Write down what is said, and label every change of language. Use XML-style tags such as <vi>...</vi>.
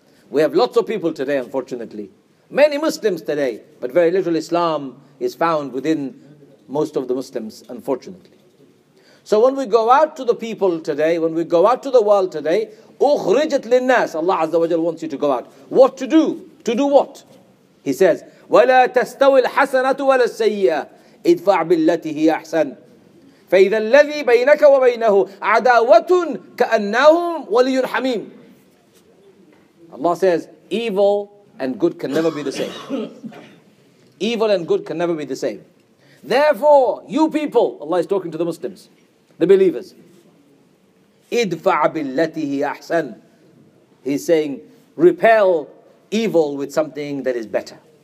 <en>We have lots of people today, unfortunately. Many Muslims today, but very little Islam is found within most of the Muslims, unfortunately. So when we go out to the people today, when we go out to the world today,</en> <ar>أُخْرِجَتْ لِلنَّاسِ</ar> <en>Allah Azza wa Jal wants you to go out. What to do? To do what? He says,</en> <ar>وَلَا تَسْتَوِي الْحَسَنَةُ وَلَا السَّيِّئَةِ ادْفَعْ بِالَّتِي هِيَ أَحْسَنُ فَإِذَا الَّذِي بَيْنَكَ وَبَيْنَهُ عَدَاوَةٌ كَأَنَّهُمْ وَلِيٌّ حَمِيمٌ</ar> <en>Allah says, evil and good can never be the same. Evil and good can never be the same. Therefore, you people, Allah is talking to the Muslims, the believers.</en> <ar>اِدْفَعْ بِالَّتِي هِيَ أَحْسَنُ</ar> <en>He's saying, repel evil with something that is better.</en>